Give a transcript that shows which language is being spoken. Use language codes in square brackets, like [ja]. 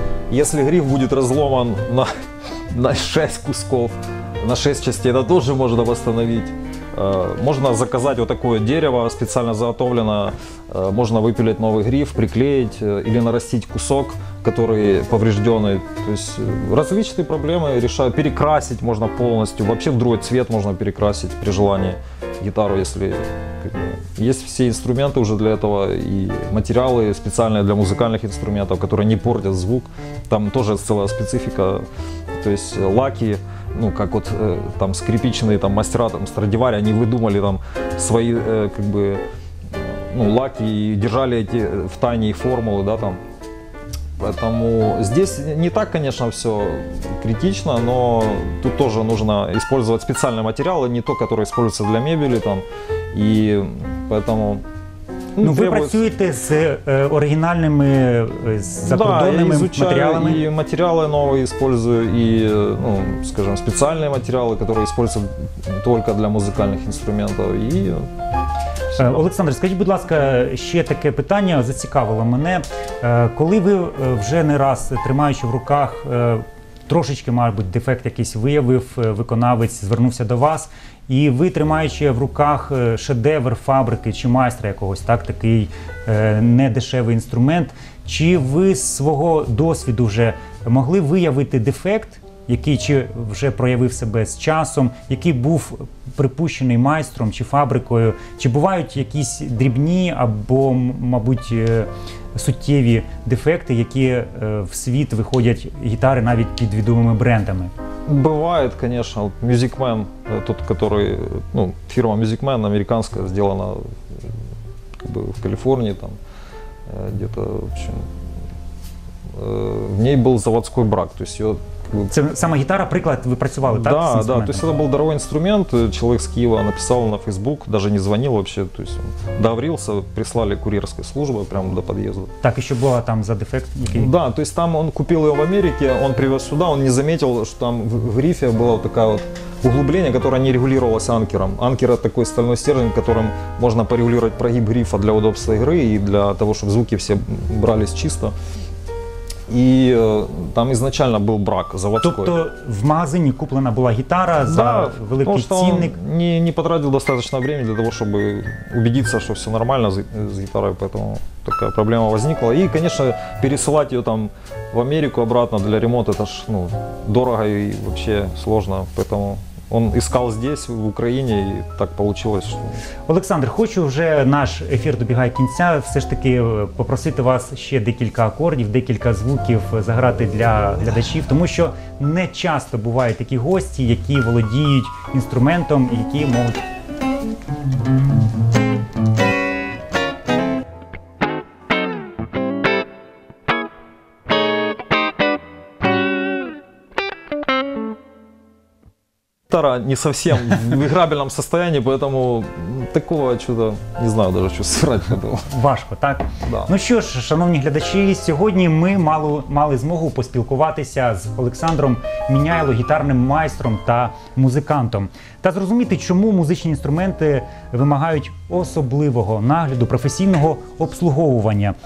[uk] Якщо гриф буде розломан на 6 кусків, [ru] на 6 частей, [uk] це теж можна встановити. Можна заказати отаке дерево спеціально заготовлене, можна випилити новий гриф, приклеїти або наростити кусок, [ru] который поврежденный. То есть различные проблемы решаю. Перекрасить можно полностью. Вообще в другой цвет можно перекрасить при желании гитару, если есть все инструменты уже для этого и материалы специальные для музыкальных инструментов, которые не портят звук. Там тоже целая специфика. То есть лаки, ну как вот там скрипичные там мастера, там Страдивари, они выдумали там свои как бы, ну, лаки и держали эти в тайне формулы, да, там. Поэтому здесь не так, конечно, все критично, но тут тоже нужно использовать специальные материалы, не то, которые используются для мебели там. И поэтому... [uk] Ну, вы працюєте з оригінальними, з закордонними матеріалами? Так, і матеріали нові використовую, і, ну, скажімо, спеціальні матеріали, які використовуються тільки для музикальних інструментів. І... Олександр, скажіть, будь ласка, ще таке питання зацікавило мене. Коли ви вже не раз, тримаючи в руках, трошечки, мабуть, дефект якийсь виявив, виконавець звернувся до вас, і ви, тримаючи в руках шедевр фабрики чи майстра якогось, так, такий недешевий інструмент, чи ви з свого досвіду вже могли виявити дефект, який чи вже проявив себе з часом, який був припущений майстром чи фабрикою, чи бувають якісь дрібні або, мабуть, суттєві дефекти, які в світ виходять гітари навіть під відомими брендами? [ru] Бывает, конечно, Music Man, тот, который, ну, фирма Music Man американская, сделана как бы в Калифорнии, там, где-то, в общем, в ней был заводской брак, то есть ее... Как бы... Это сама гитара, [uk] приклад, вы працювали, [ru] да, так, да, с инструментом? Да, да, то есть это был дорогой инструмент, человек с Киева написал на Facebook, даже не звонил вообще, то есть он доврился, прислали курьерской службы прямо до подъезда. Так еще было там за дефект? [en] Okay. [ru] Да, то есть там он купил ее в Америке, он привез сюда, он не заметил, что там в рифе была вот такая вот углубление, которое не регулировалось анкером. Анкер — это такой стальной стержень, которым можно порегулировать прогиб рифа для удобства игры и для того, чтобы звуки все брались чисто. [uk] І там ізначально був брак заводський. Тобто в магазині куплена була гітара за великий цінник? Так, тому що не потратив достатньо часу для того, щоб убедитися, що все нормально з гітарою, тому така проблема виникла. І, звісно, пересилати її там в Америку обратно для ремонту, це ж, ну, дорого і взагалі складно, тому... [ru] Он искал здесь, в Украине, и так получилось, что... [uk] Олександр, хочу вже, наш ефір добігає кінця, все ж таки попросити вас ще декілька акордів, декілька звуків заграти для глядачів, тому що не часто бувають такі гості, які володіють інструментом і які можуть... [ru] Гитара не совсем в играбельном состоянии, поэтому такого чего-то не знаю даже, что сыграть на этом. [uk] Важко, так? [ru] Да. [uk] Ну що ж, шановні глядачі, сьогодні ми мали змогу поспілкуватися з Олександром Міняйло, гітарним майстром та музикантом. Та зрозуміти, чому музичні інструменти вимагають особливого нагляду, професійного обслуговування.